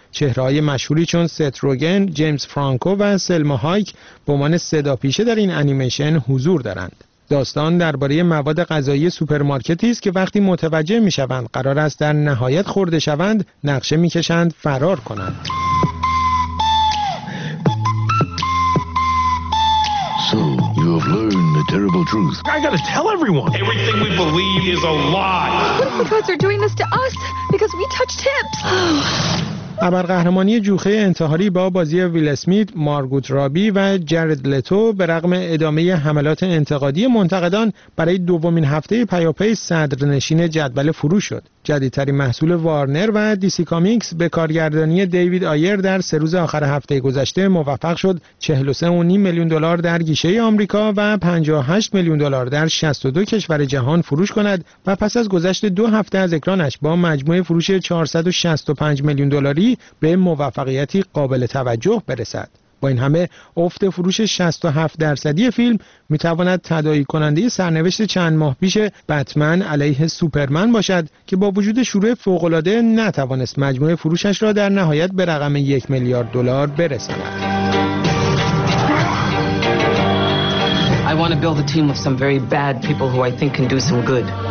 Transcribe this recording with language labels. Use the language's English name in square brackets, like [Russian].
[Persian] چهره‌های مشهوری چون ست روگن، جیمز فرانکو و سلما هایک به عنوان صدا پیشه در این انیمیشن حضور دارند. داستان درباره مواد غذایی سوپرمارکتی است که وقتی متوجه می‌شوند قرار است در نهایت خورده شوند، نقشه می‌کشند فرار کنند. [English] So you have learned the terrible truth. I gotta tell everyone. Everything we believe is a lie. What if the gods are doing this to us because we touched tips? [Persian] ابرقهرمانی جوخه انتحاری با بازی ویل اسمیت، مارگوت رابی و جارد لتو به رغم ادامه حملات انتقادی منتقدان برای دومین هفته پیاپی صدرنشین جدول فروش شد. جدیدترین محصول وارنر و دیسی کامیکس به کارگردانی دیوید آیر در سه روز آخر هفته گذشته موفق شد 43.5 میلیون دلار در گیشه آمریکا و 58 میلیون دلار در 62 کشور جهان فروش کند و پس از گذشت دو هفته از اکرانش با مجموع فروش 465 میلیون دلاری به موفقیتی قابل توجه برسد. با این همه افت فروش 67% فیلم میتواند تداعی کننده سرنوشت چند ماه پیش بتمن علیه سوپرمن باشد که با وجود شروع فوق‌العاده نتوانست مجموع فروشش را در نهایت به رقم 1 میلیارد دلار برساند. [English] I want to build a team of some very bad people who I think can do some good.